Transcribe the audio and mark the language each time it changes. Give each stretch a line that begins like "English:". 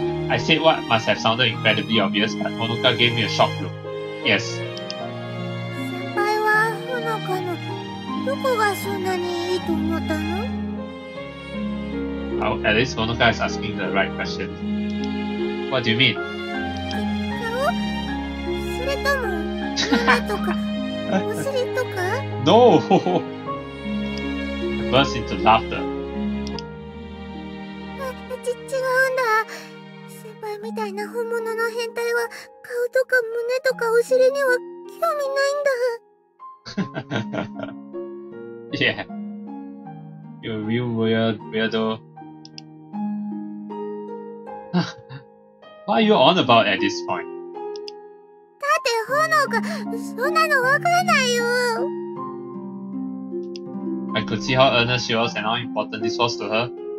English: I said what must have sounded incredibly obvious, but Honoka gave me a shock look. Yes.
Japanese: 先輩は Honoka のどこがそんなにいいと思ったの？
English: Well, at least Honoka is asking the right question. What do you mean?
Japanese: 顔？それとも胸とかお尻とか？
English: No! Burst into laughter. It's different.
Japanese: 先輩みたいな本物の変態は顔とか胸とかお尻には興味ないんだ。
English: Yeah. You're a real weirdo. What are you on about at this point?
Japanese: だって炎がそんなのわからないよ。
English: I could see how earnest she was and how important this was to her.